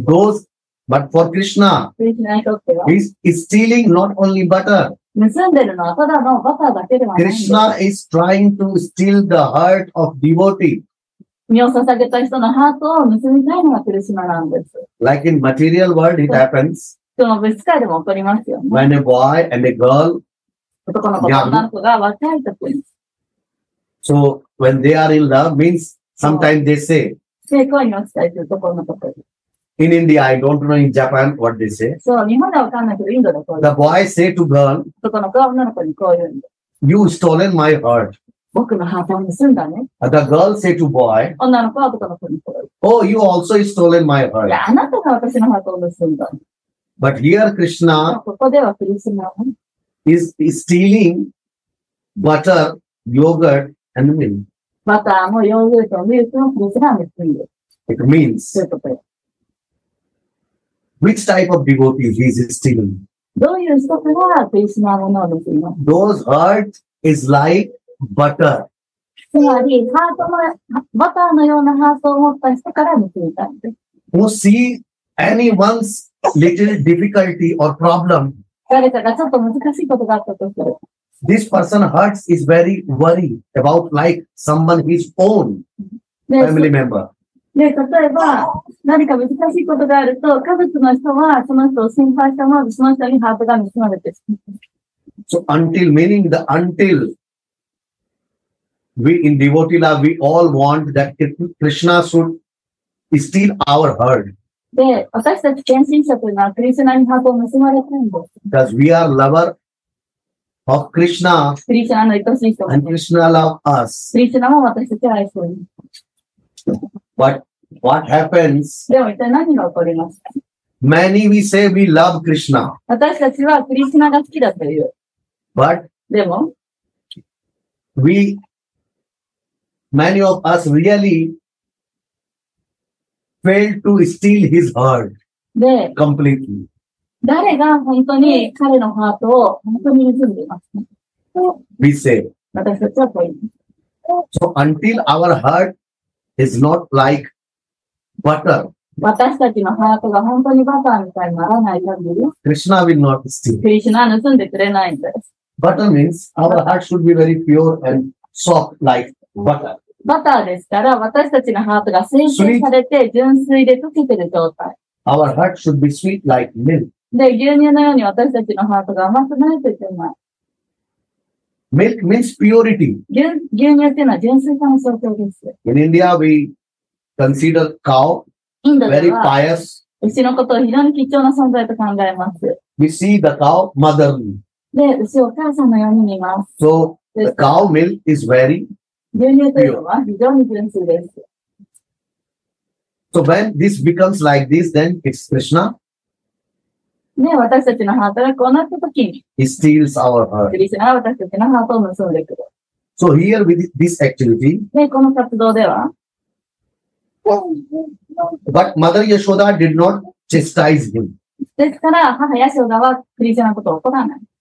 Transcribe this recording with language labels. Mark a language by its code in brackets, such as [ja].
[en] those, but for Krishna, he's stealing not only butter. [ja] 盗んでるのはただのバターだけではない。 [en] Krishna is trying to steal the heart of devotee. [ja] 身を捧げた人のハートを盗みたいのがクリシュナなんです。 [en] Like in material world, it happens. [ja] その物質界でも起こりますよね。 [en] When a boy and a girl So, when they are in love, means sometimes they say, in India, I don't know in Japan what they say. [ja] So, 日本ではわかんないけど、インド [en] だと。The boy say to girl, [ja] 男の子は女の子にこう言うんだ。 [en] You stolen my heart. [ja] 僕のハートを盗んだね。 [en] The girl say to boy, [ja] 女の子は男の子にこう言う。 [en] Oh, you also stolen my heart. [ja] いや、あなたが私のハートを盗んだ。 [en] But here, Krishna, [ja] ここではクリシュナ。 [en] Is stealing butter, yogurt, and milk. Butter, yogurt, and milk. Krishna is stealing. It means. Which type of devotee he is stealing? [ja] どういう人たちがクリシュナのものを盗むの? [en] Those heart is like butter. [ja] つまり、ハートのバターのようなハートを持った人から盗みたい。 [en] Who see anyone's little difficulty or problem? [ja] 誰かがちょっと難しいことがあったとする。 [en] This person hurts is very worried about like someone his own family member. [ja] で、例えば、何か難しいことがあると、家族の人はその人を心配したまま、その人にハートが盗まれてしまう。 [en] So until, meaning the until, we in devotee love, we all want that Krishna should steal our heart. [ja] で、私たち献身者というのはクリシュナにハートを盗まれてるんです。 [en] Because we are lover of Krishna. [ja] クリシュナの愛しい人。 [en] And Krishna love us. [ja] クリシュナも私たちを愛しています。 [en] But what happens? [ja] でも一体何が起こりますか? [en] Many we say we love Krishna. [ja] 私たちはクリシュナが好きだという。 [en] But? [ja] でも [en] We, many of us reallyfailed to steal his heart completely. [ja] 誰が本当に彼のハートを本当に盗んでいますか? [en] We say. [ja] 私たちはこう言います。 [en] So until our heart is not like butter. [ja] 私たちのハートが本当にバターみたいにならない限り。 [en] Krishna will not steal. [ja] クリシュナは盗んでくれないんです。 [en] Butter means our heart should be very pure and soft like butter. [ja] バターですから、私たちのハートが精製されて、純粋で溶けてる状態。 [en] Our heart should be sweet like milk. [ja] で、牛乳のように私たちのハートが甘くないといけない。 [en] Milk means purity. [ja] 牛乳っていうのは純粋さの象徴です。 [en] In India, we consider cow very pious. [ja] 牛のことを非常に貴重な存在と考えます。 [en] We see the cow motherly. [ja] で、牛をお母さんのように見ます。 [en] So, the cow milk is very So when this becomes like this, then it's Krishna. [ja] ね、私たちのハートがこうなった時に。 [en] He steals our heart. [ja] クリシュナは私たちのハートを盗んでくる。 [en] So here with this activity. [ja] ね、この活動では。 [en] But Mother Yashoda did not chastise him. [ja] ですから、母ヤシオダはクリシュナのことを怒らない。